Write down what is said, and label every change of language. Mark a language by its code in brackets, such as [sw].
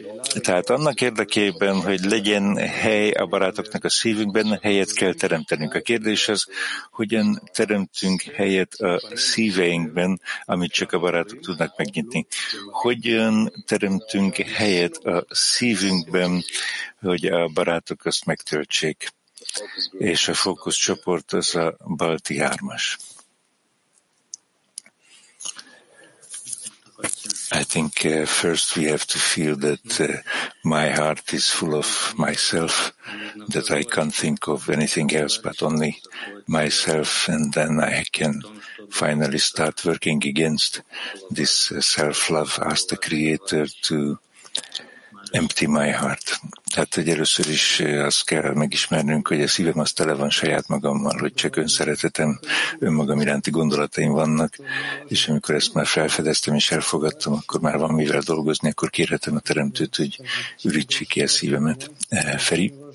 [hu] Tehát annak érdekében, hogy legyen hely a barátoknak a szívünkben, helyet kell teremtenünk. A kérdés az, hogyan teremtünk helyet a szíveinkben, amit csak a barátok tudnak megnyitni. Hogyan teremtünk helyet a szívünkben, hogy a barátok azt megtöltsék. És a fókuszcsoport az a Balti Hármas. [en] I think first we have to feel that my heart is full of myself, that I can't think of anything else but only myself, and then I can finally start working against this self-love, ask the Creator to empty my heart. [hu] Tehát, hogy először is azt kell megismernünk, hogy a szívem az tele van saját magammal, hogy csak önszeretetem, önmagam iránti gondolataim vannak, és amikor ezt már felfedeztem és elfogadtam, akkor már van mivel dolgozni, akkor kérhetem a Teremtőt, hogy ürítsék ki a szívemet. Feri?